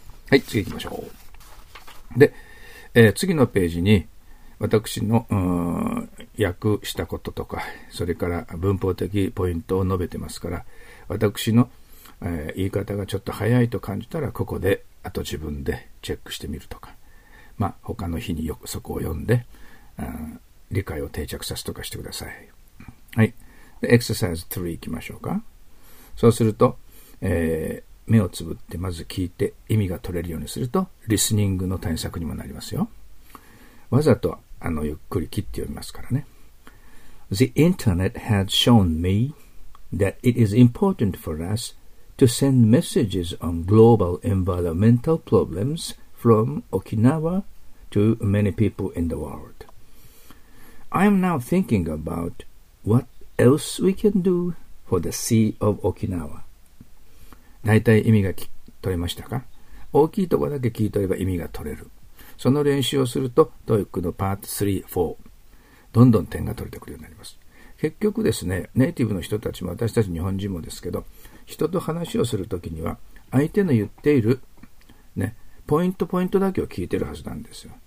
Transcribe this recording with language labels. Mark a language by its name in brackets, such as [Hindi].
[Japanese] はい、次行きましょう。で、次のページに私の訳したこととか、それから文法的ポイントを述べてますから、私の、言い方がちょっと早いと感じたら、ここであと自分でチェックしてみるとか、まあ、他の日によくそこを読んで、理解を定着させとかしてください。はい。でエクササイズ3いきましょうか。そうすると、目をつぶってまず聞いて意味が取れるようにするとリスニングの対策にもなりますよ。わざとゆっくり切って読みますからね。 [English] The internet has shown me that it is important for us to send messages on global environmental problemsFrom Okinawa to many people in the world. I am now thinking about what else we can do for the Sea of Okinawa. [Japanese] 大体意味が取れましたか？大きいところだけ聞いとれば意味が取れる。その練習をすると、TOEIC のパート3、4、どんどん点が取れてくるようになります。結局ですね、ネイティブの人たちも私たち日本人もですけど、人と話をするときには、相手の言っている、ね、ポイントポイントだけを聞いてるはずなんですよ。